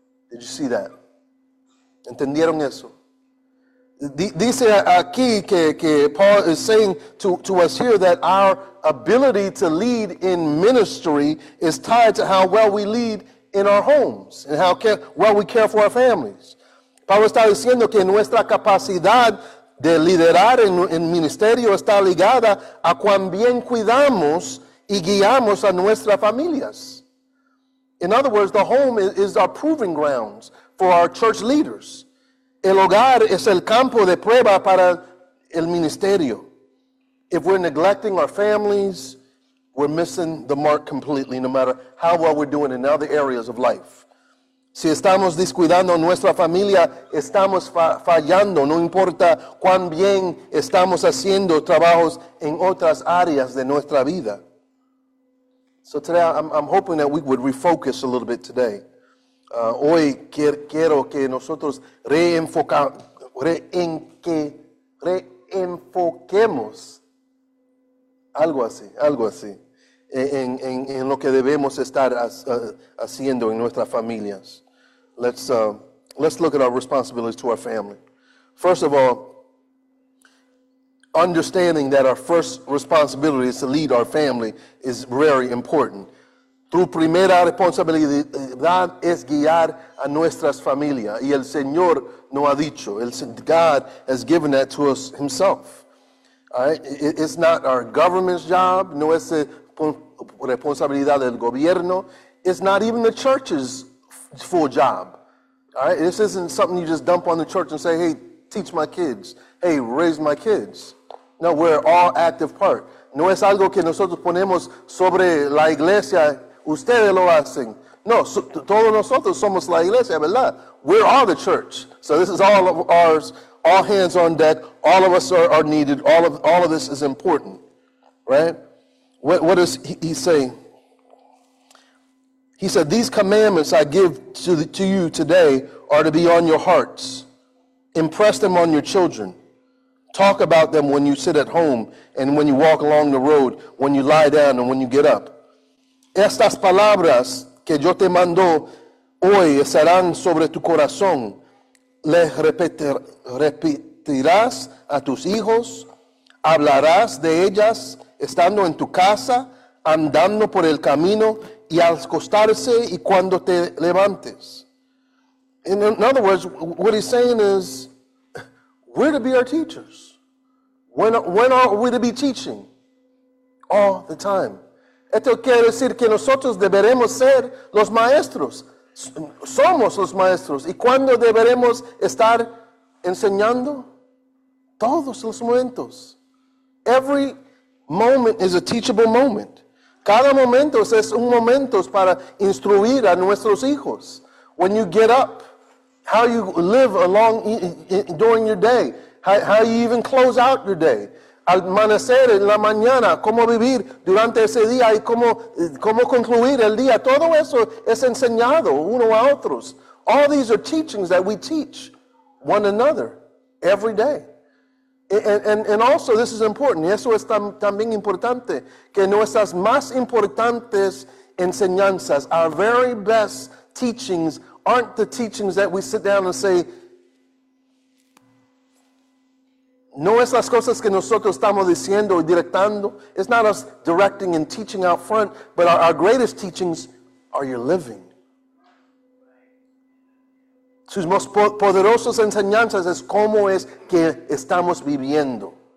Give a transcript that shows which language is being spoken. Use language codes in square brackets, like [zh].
[en] Did you see that? [es] ¿Entendieron eso? Dice aquí que [en] Paul is saying to us here that our ability to lead in ministry is tied to how well we lead in our homes and how well we care for our families. [es] Pablo está diciendo que nuestra capacidad de liderar en ministerio está ligada a cuán bien cuidamos y guiamos a nuestras familias. [en] In other words, the home is our proving grounds for our church leaders. [es] El hogar es el campo de prueba para el ministerio. [en] If we're neglecting our families, we're missing the mark completely, no matter how well we're doing in other areas of life. [es] Si estamos descuidando nuestra familia, estamos fallando, no importa cuán bien estamos haciendo trabajos en otras áreas de nuestra vida. [en] So today, I'm hoping that we would refocus a little bit today. [es] Hoy quiero que nosotros reenfoquemos algo así, en lo que debemos estar haciendo en nuestras familias. [en] Let's look at our responsibilities to our family. First of all, understanding that our first responsibility is to lead our family is very important. [es] Tu primera responsabilidad es guiar a nuestras familias. Y el Señor nos ha dicho. [en] God has given that to us himself. All right? It's not our government's job. [es] No es responsabilidad del gobierno. [en] It's not even the church's full job. All right? This isn't something you just dump on the church and say, hey, teach my kids. Hey, raise my kids. No, we're all active part. [es] No es algo que nosotros ponemos sobre la iglesia. Ustedes lo hacen. No, todos nosotros somos la iglesia, ¿verdad? [en] We're all the church. So this is all of ours, all hands on deck. All of us are needed. All of this is important, right? What does he say? He said, these commandments I give to you today are to be on your hearts. Impress them on your children. Talk about them when you sit at home and when you walk along the road, when you lie down and when you get up. [es] Estas palabras que yo te mando hoy estarán sobre tu corazón. Les repetirás a tus hijos. Hablarás de ellas estando en tu casa, andando por el camino y al acostarse y cuando te levantes. [en] In other words, what he's saying is, we're to be our teachers. When are we to be teaching? All the time. [es] Esto quiere decir que nosotros deberemos ser los maestros. Somos los maestros. ¿Y cuándo deberemos estar enseñando? Todos los momentos. [en] Every moment is a teachable moment. [es] Cada momento es un momento para instruir a nuestros hijos. [en] When you get up, how you live along during your day, how you even close out your day. [es] Al amanecer, en la mañana, cómo vivir durante ese día y cómo concluir el día. Todo eso es enseñado uno a otros. [en] All these are teachings that we teach one another every day. And also, this is important. [es] Y eso es también importante. Que nuestras más importantes enseñanzas, [en] our very best teachings, aren't the teachings that we sit down and say, [es] No es las cosas que nosotros estamos diciendo y directando. [en] It's not us directing and teaching out front, but our greatest teachings are your living. [es] Sus más poderosas enseñanzas es cómo es que estamos viviendo.